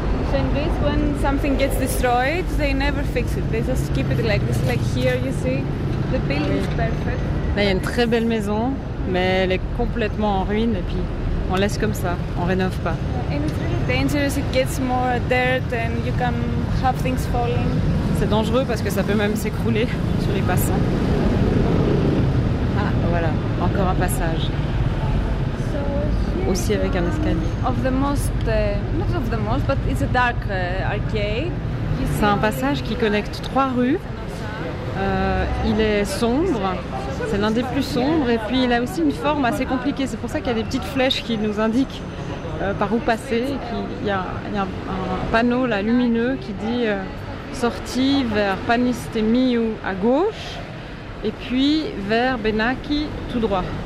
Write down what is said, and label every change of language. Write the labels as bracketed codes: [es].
[en] So in this, when something gets destroyed, they never fix it. They just keep it like this. Like here, you see, the building is perfect. [fr] Là, il y a une très belle maison, mais elle est complètement en ruine et puis on laisse comme ça, on rénove pas. [en] And it's really dangerous. It gets more dirt and you can have things falling. [fr] C'est dangereux parce que ça peut même s'écrouler sur les passants. Ah, voilà, encore un passage. Aussi avec un escalier. [en] Of the most, not of the most, but it's a dark arcade. [fr] C'est un passage qui connecte trois rues. Il est sombre, c'est l'un des plus sombres, et puis il a aussi une forme assez compliquée. C'est pour ça qu'il y a des petites flèches qui nous indiquent par où passer. Il y a un panneau là, lumineux qui dit... sortie vers Panistemiou à gauche et puis vers Benaki tout droit.